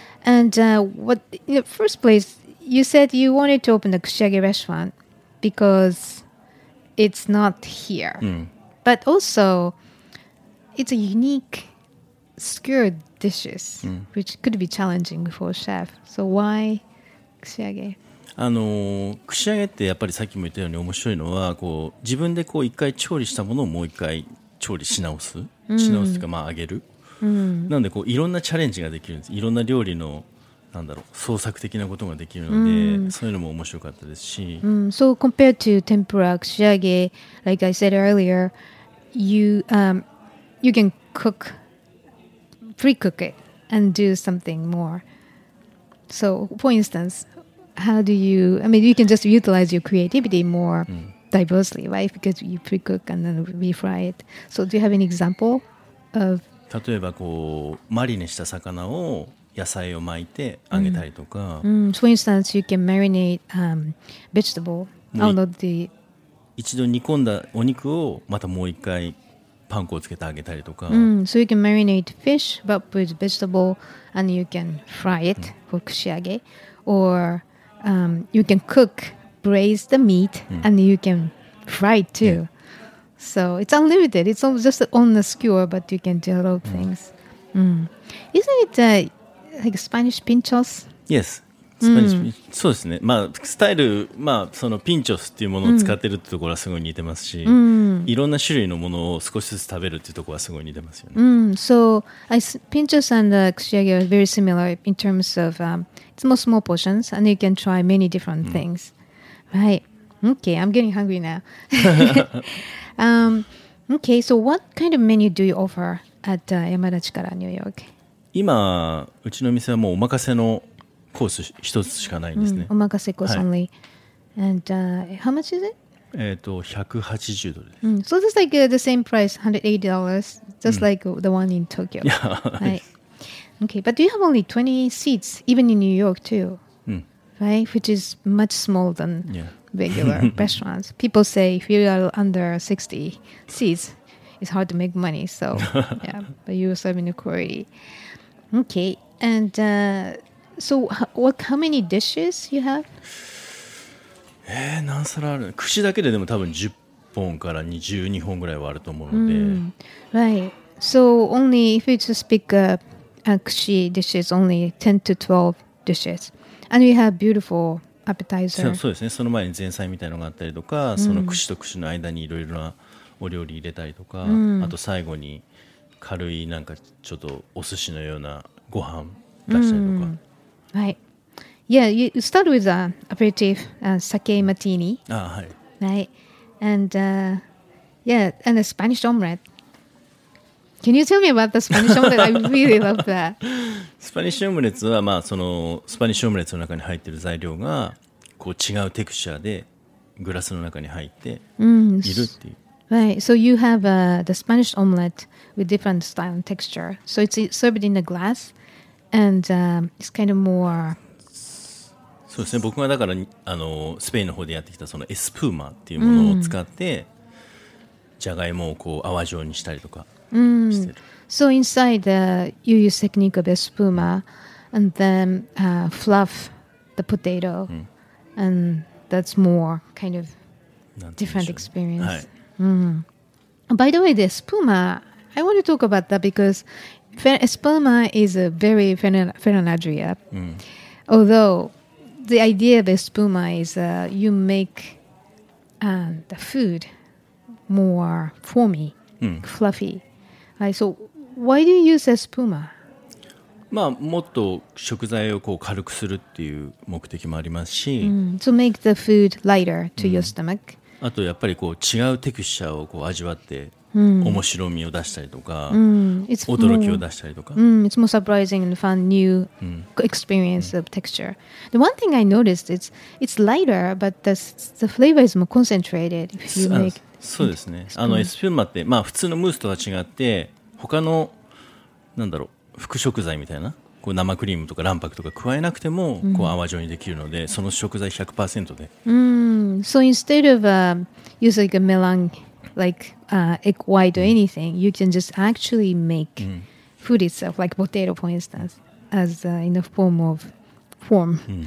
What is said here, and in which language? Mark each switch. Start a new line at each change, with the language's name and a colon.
English: And what, in the first place, you said you wanted to open a kushiyage restaurant because it's not here. But also, it's a unique skewered dishes, which could be challenging for a chef. So why kushiyage?
Japanese: 串揚げってやっぱりさっきも言ったように面白いのはこう自分でこう一回調理したものをもう一回調理し直す、し直すっていうかまあ揚げる、なのでこういろんなチャレンジができるんです。いろんな料理のなんだろう創作的なことができるので、そういうのも面白かったですし、
English: So compared to tempura 串揚げ like I said earlier you, you can cook pre-cook it and do something more. So for instanceHow do you, I mean, you can just utilize your creativity more diversely, right? Because you pre-cook and then refry it. So do you have an example of...
Japanese: 例えばこう、マリネした魚を野菜を巻いて揚げたりとか。
English: For instance, you can marinate vegetable out of the...
Japanese: 一度煮込んだお肉をまたもう一回パン粉をつけて揚げたりとか。
English: So you can marinate fish, but with vegetable, and you can fry it for 串揚げ. Or... you can cook, braise the meat, and you can fry it too. So it's unlimited. It's all just on the skewer, but you can do a lot of things. Isn't it like Spanish pinchos? Yes. Spanish,
Japanese: そうですね。まあ、スタイル、まあ、そのピンチョスっていうものを使ってるってところはすごい似てますし、いろんな種類のものを少しずつ食べるっていうところはすごい似てますよね。
English: So, pinchos and kushiyage are very similar in terms of it's more small portions and you can try many different things. Right. Okay, I'm getting hungry now. okay, so what kind of menu do you offer at Yamada Chikara, New York?
Japanese: 今、うちの店はもうお任せのコース一つしかないんですね。
English: お任せコース only. And how much is it?
Japanese: 180ドルです。
English: So this is like the same price, $180, just like the one in Tokyo. Yeah. Okay, but do you have only 20 seats, even in New York too? Right, which is much smaller than regular restaurants. People say if you are under 60 seats, it's hard to make money. So yeah, but you are serving the quality. Okay, and So, how many dishes you have?
Japanese: 何皿ある？串だけででも多分10本から22本ぐらいはあると思うので。
English: Right. So, only if you just pick up a 串 dishes, only 10 to 12 dishes. And we have beautiful
Japanese: アペタイザー。そうですね。その前に前菜みたいのがあったりとか、うん、その串と串の間にいろいろなお料理入れたりとか、うん、あと最後に軽いなんかちょっとお寿司のようなご飯出したりとか。うん、はい。
English: Yeah, you start with an aperitif, sake martini.
Japanese: ああ、はい。
English: Right. And, yeah, and a Spanish omelette. Can you tell me about the Spanish omelette? I really love that.
Japanese: Spanish omelette は、まあ、その、Spanish omelette の中に入っている材料が、こう、違うテクスチャーで、グラスの中に入っているっていう。
English: Right. So you have, the Spanish omelette with different style and texture. So it's served in a glass, and, it's kind of more...
Japanese: そうですね。僕がだから、あの、スペインの方でやってきた、その、エスプーマっていうものを使って、じゃがいもをこう、泡状にしたりとか。 Mm.
English: So inside, you use technique of espuma, and then fluff the potato, and that's more kind of different experience. Mm. By the way, the espuma, I want to talk about that because espuma is a very Ferranadria. Although the idea of espuma is you make the food more foamy, fluffy. はい、so why do you use espuma?
Japanese: まあ、もっと食材をこう軽くするっていう目的もありますし、
English: to make the food lighter to your stomach。
Japanese: あとやっぱりこう違うテクスチャーをこう味わって、面白みを出したりとか、驚きを出したりとか、
English: it's more surprising and fun new experience of texture。 The one thing I noticed is it's lighter, but the flavor is more concentrated if you make。
Japanese: そうですね。あのエスプーマって、まあ、普通のムースとは違って他のなんだろう副食材みたいなこう生クリームとか卵白とか加えなくてもこう泡状にできるので、その食材 100% で。
English: So instead of use like a melon like egg white or anything, you can just actually make food itself like potato for instance as in the form of form.